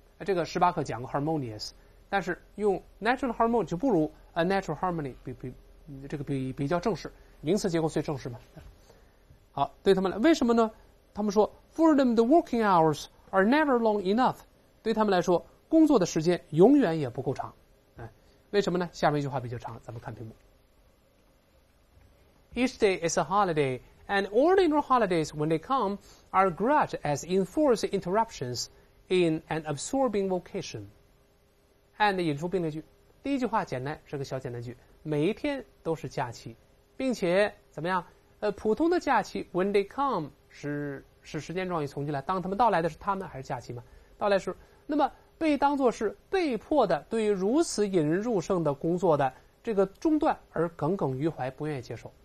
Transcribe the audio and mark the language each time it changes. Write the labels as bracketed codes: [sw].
[zh] 啊，这个18课讲过 harmonious， 但是用 natural harmony 就不如 a natural harmony 比较正式，名词结构最正式嘛。好，对他们来，为什么呢？他们说 ， For them the working hours are never long enough。对他们来说，工作的时间永远也不够长。为什么呢？下面一句话比较长，咱们看屏幕。 [en] Each day is a holiday, and ordinary holidays, when they come, are grudged as enforced interruptions in an absorbing vocation. [zh] And 引出并列句，第一句话简单，是个小简单句。每一天都是假期，并且怎么样？普通的假期 when they come 是时间状语从句来，当他们到来的是他们还是假期吗？到来时，那么被当作是被迫的，对于如此引人入胜的工作的这个中断而耿耿于怀，不愿意接受。